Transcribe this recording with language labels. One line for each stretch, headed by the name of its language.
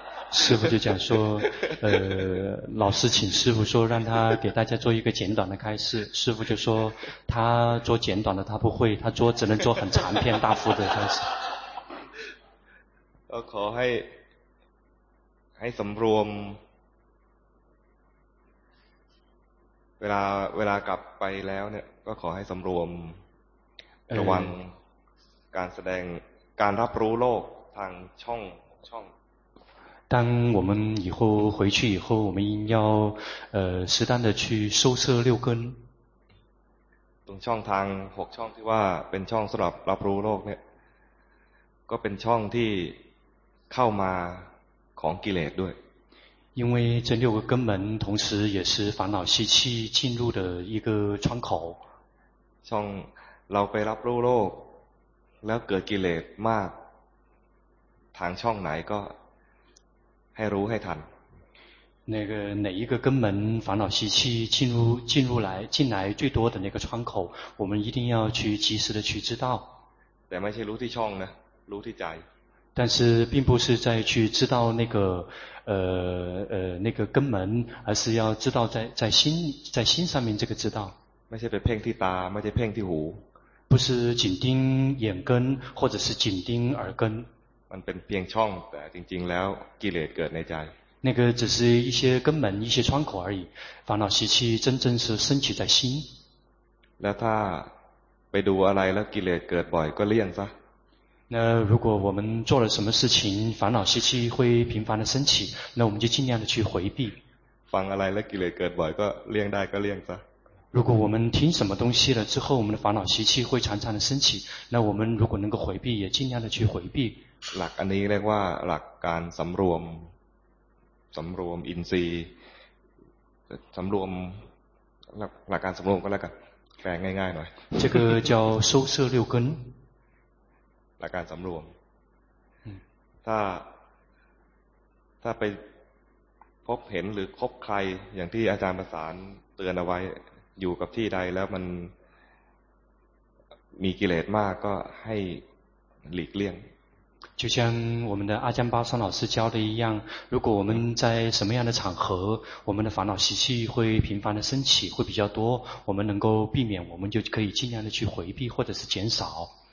Chinese: 师父就讲说老师请师父说让他给大家做一个简短的开示师父就说他做简短的他不会他做只能做很长篇大幅的开示我
Thai: ขอให้สำรวมเวลากลับไปแล้วเนี่ยก็ขอให้สำรวมระวังการแสดงการรับรู้โลกทางช่อง
Chinese: 当我们以后回去以后我们应要适当的去收摄六根
Thai: ตรงช่องทาง6ช่องที่ว่าเป็นช่องสำหรับรับรู้โลกเนี่ยก็เป็นช่องที่เข้ามาของกิเลสด้วย
Chinese: 因为这六个根门同时也是烦恼习气进入的一个窗口
Thai: ช่องเราไปรับรู้โลกแล้วเกิดกิเลสมากทางช่องไหนก็ให้รู้ให้ทัน
Chinese: 那个哪一个根门烦恼习气进来最多的那个窗口我们一定要去及时的去知道
Thai: แต่ไม่ใช่รู้ที่ช่องนะรู้ที่ใจ
Chinese: 但是并不是在去知道那个根门而是要知道在心上面这个知道
Thai: ไม่ใช่ไปเพ่งที่ตาไม่ใช่เพ่งที่หู
Chinese: 不是紧盯眼根或者是紧盯耳根
Thai: มันเป็นเพียงช่องแต่จริงๆแล้วกิเลสเกิดในใจ
Chinese: 那个只是一些根本一些窗口而已烦恼习气真正是升起在心
Thai: แล้วถ้าไปดูอะไรแล้วกิเลสเกิดบ่อยก็เลี่ยงซะ
Chinese: 那如果我们做了什么事情烦恼习气会频繁的升起那我们就尽量的去回避
Thai: ฟังอะไรแล้วกิเลสเกิดบ่อยก็เลี่ยงได้ก็เลี่ยงซะ
Chinese: 如果我们听什么东西了之后我们的烦恼习气会常常的升起那我们如果能够回避也尽量的去回避
Thai: หลักอันนี้เรียกว่าหลักการสำรวมสำรวมอินทรีย์สำรวมหลักการสำรวมก็แล้วกันแปลง่ายๆหน่อย
Chinese: 这个叫收摄六根
Thai: หลักการสำรวมถ้าไปพบเห็นหรือพบใครอย่างที่อาจารย์ประสานเตือนเอาไว้อยู่กับที่ใดแล้วมันมีกิเลสมากก็ให้หลีกเลี่ยง
Chinese: 就像我们的阿姜巴桑老师教的一样，如果我们在什么样的场合，我们的烦恼习气会频繁的升起，会比较多，我们能够避免，我们就可以尽量的去回避或者是减少。